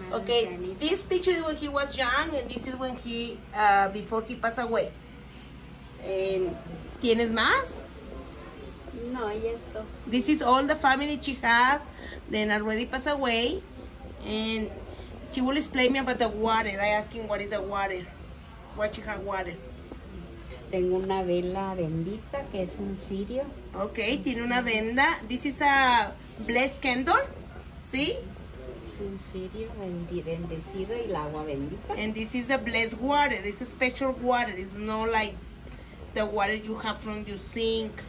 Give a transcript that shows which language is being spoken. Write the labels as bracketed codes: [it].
[en] Okay, this picture is when he was young, and this is when he, before he passed away. And, [es] ¿tienes más? No, y esto. [en] This is all the family she had, then already passed away, and she will explain me about the water. I ask him what is the water. What she had water. [es] Tengo una vela bendita que es un cirio. [en] Okay, [es] tiene una venda. [en] This is a blessed candle. ¿Sí? [es] Es un cirio bendecido y el agua bendita. [en] And this is the blessed water. It's a special water. It's not like the water you have from your sink.